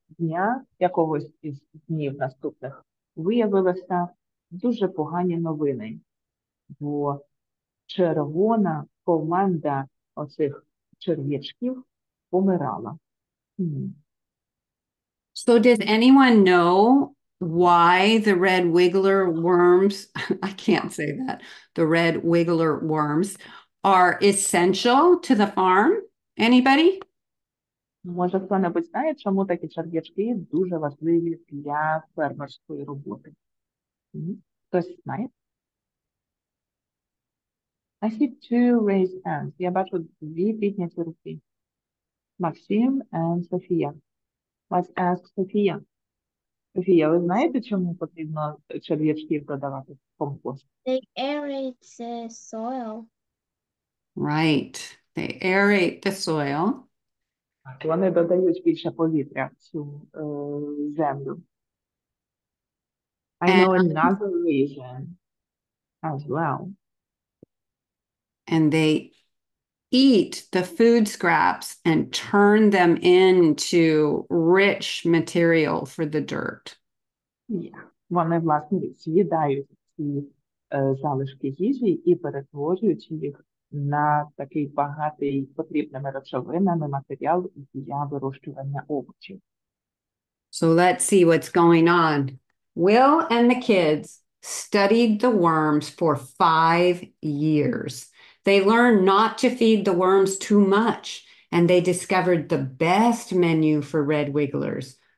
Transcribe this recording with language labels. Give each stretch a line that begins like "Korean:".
Ukrainian: дня, якогось із днів наступних, виявилися дуже погані новини. Бо червона команда оцих черв'ячків помирала.
English: So does anyone know why the red wiggler worms, I can't say that, the red wiggler worms are essential to the farm? Anybody?
Ukrainian: Може, хто-небудь знає, чому такі черв'ячки дуже важливі для фермерської роботи? Хтось знає?
English: I see two raised hands.
Ukrainian: Я бачу дві підняті руки.
English: Максим and Софія. Let's ask Sofia.
Ukrainian: Sofia, ви знаєте, чому потрібно черв'ячків додавати в компост?
English: They aerate the soil. Right. They aerate the soil.
Ukrainian: Вони додають більше повітря в цю землю.
English: I know another reason as well. And they eat the food scraps and turn them into rich material for the dirt.
Ukrainian: Yeah, вони, власне, з'їдають ці залишки їжі і перетворюють їх на такий багатий потрібними речовинами матеріал для вирощування овочів.
English: So let's see what's going on. Will and the kids studied the worms for 5 years. They learned not to feed the worms too much, and they discovered the best menu for red wigglers.